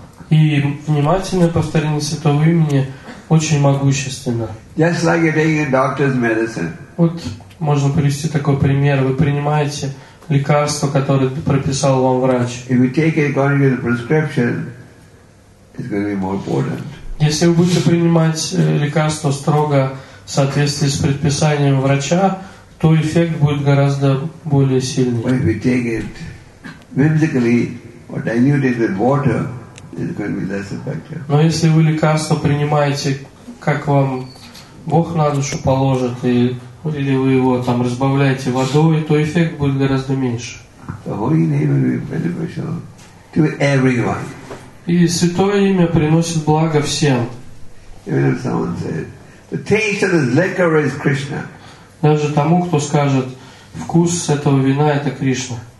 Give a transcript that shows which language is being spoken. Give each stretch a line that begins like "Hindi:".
Russian: И внимательное повторение святого имени очень могущественно.
English: Just like you're taking a doctor's medicine.
Russian: Вот можно привести такой пример. Вы принимаете лекарство, которое прописал вам врач.
English: If you take it according to the prescription, it's going to be more important.
Russian: Если вы будете принимать лекарство строго в соответствии с предписанием врача, то эффект будет гораздо более сильный.
English: But if you take it whimsically, or diluted with water, it's going to be less effective.
Russian: Но если вы лекарство принимаете, как вам Бог на душу положит, или вы его там разбавляете водой, то эффект будет гораздо меньше.
English: The holy name will be beneficial to everyone.
Russian: И святое имя приносит благо всем.
English: Even if someone said, the taste of this liquor is Krishna.
Russian: Даже тому, кто скажет, вкус этого вина – это Кришна.